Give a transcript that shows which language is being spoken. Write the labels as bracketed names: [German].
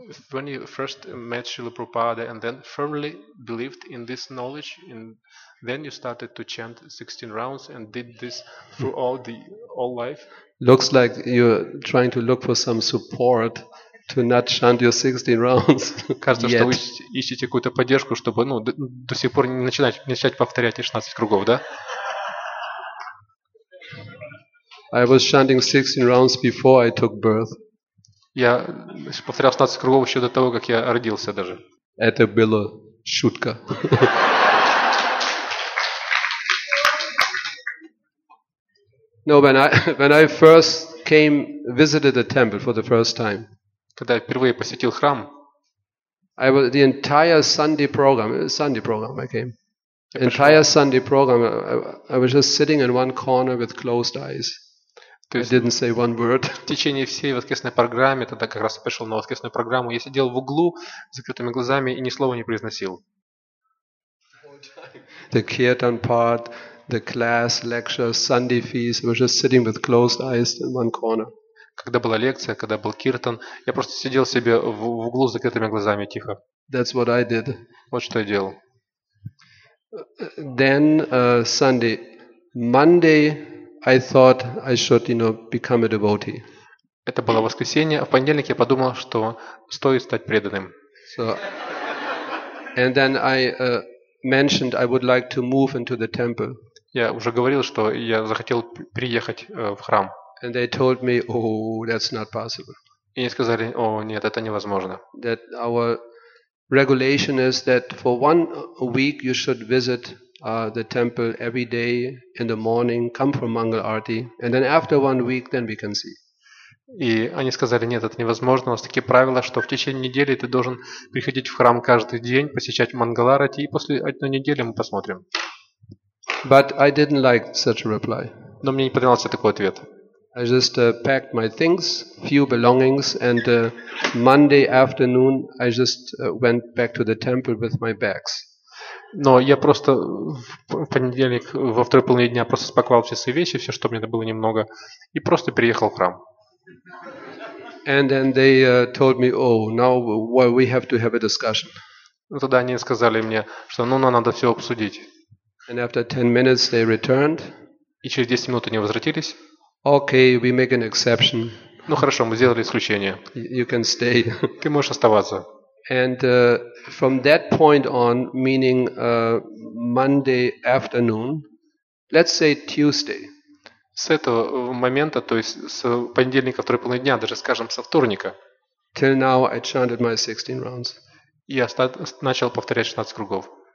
[English] When you first met Srila Prabhupada, and then firmly believed in this knowledge, and then you started to chant 16 rounds and did this through all life. Looks like you're trying to look for some support to not chant your 16 rounds. [Russian] Кажется, что вы ищете какую-то поддержку, чтобы до сих пор не начать повторять 16 кругов, да? [English] I was chanting 16 rounds before I took birth. [Russian] Я повторял 16 кругов еще до того, как я родился даже. Это было шутка. [English] No, when I first came visited the temple for the first time. [Russian] Когда я впервые посетил храм. [English] I was the entire Sunday program I came. Entire Sunday program I was just sitting in one corner with closed eyes. [Russian] То есть, [English] I didn't say one word. [Russian] В течение всей воскресной программы, тогда как раз пришел на воскресную программу, я сидел в углу с закрытыми глазами и ни слова не произносил. [English] The kirtan part, the class, lecture, Sunday feast, I was just sitting with closed eyes in one corner. [Russian] Когда была лекция, когда был киртан, я просто сидел себе в углу с закрытыми глазами тихо. [English] That's what I did. [Russian] Вот что я делал. [English] Then Sunday, Monday. I thought I should, you know, become a devotee. [Russian] Это было воскресенье, а в понедельник я подумал, что стоит стать преданным. [English] So, and then I mentioned I would like to move into the temple. [Russian] Я уже говорил, что я захотел приехать в храм. [English] And they told me, oh, that's not possible. [Russian] И мне сказали, о, нет, это невозможно. [English] That our regulation is that for 1 week you should visit the temple every day in the morning, come for Mangal Arati, and then after 1 week, then we can see. [Russian] И они сказали, нет, это невозможно. У нас такие правила, что в течение недели ты должен приходить в храм каждый день, посещать Мангал Арати, и после одной недели мы посмотрим. [English] But I didn't like such a reply. [Russian] Но мне не понравился такой ответ. [English] I just packed my things, few belongings, and Monday afternoon I just went back to the temple with my bags. [Russian] Но я просто в понедельник, во второй половине дня просто спаковал все свои вещи, все, что мне было немного, и просто переехал в храм. [English] And then they told me, oh, now well, we have to have a discussion. [Russian] Ну, тогда они сказали мне, что ну, надо все обсудить. [English] And after 10 minutes they returned. [Russian] И через 10 минут они возвратились. [English] Okay, we make an exception. [Russian] Ну хорошо, мы сделали исключение. [English] You can stay. [Russian] Ты можешь оставаться. [English] And from that point on, meaning Monday afternoon, let's say Tuesday. [Russian] С этого момента, то есть с понедельника второй половины дня, даже скажем со вторника. [English] Till now I chanted my 16 rounds. [Russian] Я начал повторять 16 кругов.